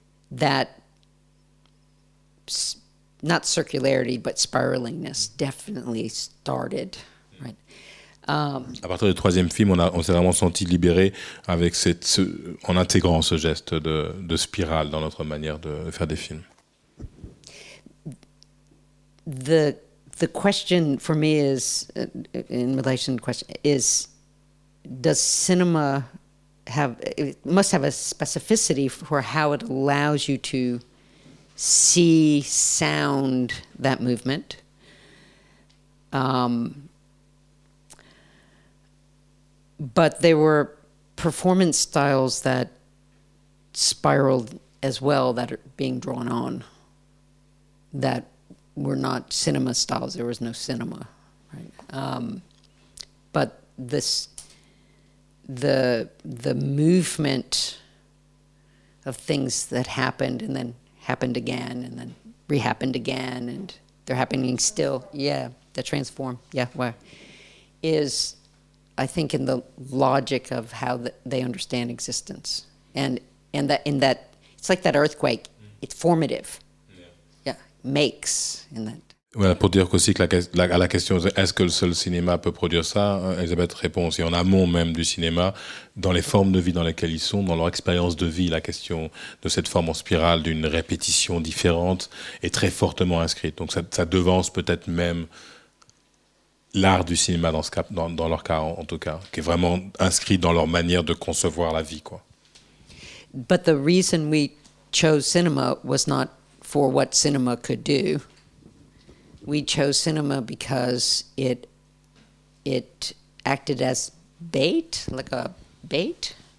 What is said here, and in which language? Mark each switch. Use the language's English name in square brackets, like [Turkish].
[English] That, not circularity, but spiralingness definitely started, right? [French] À partir du troisième film, on s'est vraiment senti libéré avec en intégrant ce geste de spirale dans notre manière de faire des films. [English] The question for me is, in relation to the question, is does cinema must have a specificity for how it allows you to see, sound that movement? But there were performance styles that spiraled as well that are being drawn on that were not cinema styles. There was no cinema, right? But this, the movement of things that happened and then happened again and then re-happened again and they're happening still. Yeah, the transform. Yeah, where is, I think, in the logic of how they understand existence and that it's like that earthquake. It's formative. Makes in that. [French] Voilà, pour dire aussi que la question de est-ce que le seul cinéma peut produire ça, Elisabeth répond aussi en amont même du cinéma, dans les formes de vie dans lesquelles ils sont, dans leur expérience de vie, la question de cette forme en spirale, d'une répétition différente, est très fortement inscrite. Donc ça devance peut-être même l'art du cinéma dans, ce cas, dans leur cas en tout cas, qui est vraiment inscrit dans leur manière de concevoir la vie. Quoi. [English] But the reason we chose cinema was not for what cinema could do. We chose cinema because it acted as bait, like a bait.